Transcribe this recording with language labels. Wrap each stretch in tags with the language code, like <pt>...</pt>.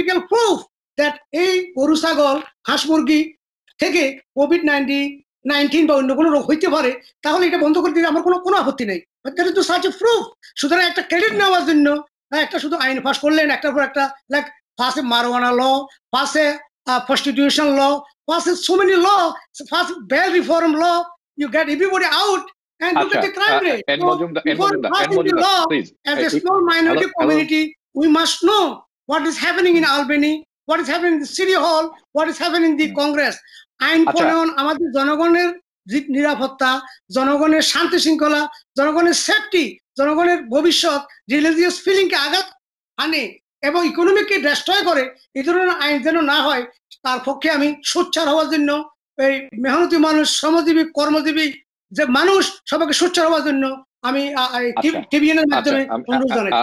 <en>proof that</en> <bn>এই গরু ছাগল হাঁস মুরগি থেকে COVID-19 বা অন্য কোনো রোগ হইতে পারে তাহলে এটা বন্ধ করে দিলে আমার কোনো কোনো আপত্তি নেই,</bn> <en>That is to search a proof.</en> <bn>সুতরাং একটা ক্রেডিট নেওয়ার জন্য একটা শুধু আইন পাস করলেন একটার পর একটা like</bn> <en>first marijuana law, first prostitution law, first so many law, first bail reform law, you get everybody out and look at the crime rate. So, before passing the law, as a small minority community, we must know what is happening in Albany, what is happening in the City Hall, what is happening in the Congress.</en> <bn>আইন প্রণয়ন আমাদের জনগণের নিরাপত্তা, জনগণের শান্তি শৃঙ্খলা, জনগণের safety, জনগণের ভবিষ্যৎ, রিলিজিয়াস ফিলিংকে আঘাত আনে এবং ইকোনমিকে ডিস্ট্রয় করে এই ধরনের আইন যেন না হয় তার পক্ষে আমি সোচ্চার হওয়ার জন্য এই মেহনতি মানুষ, শ্রমজীবী, কর্মজীবী যে মানুষ সবাইকে সোচ্চার হওয়ার জন্য আমি টিবিএনের মাধ্যমে অনুরোধ জানাই।</bn>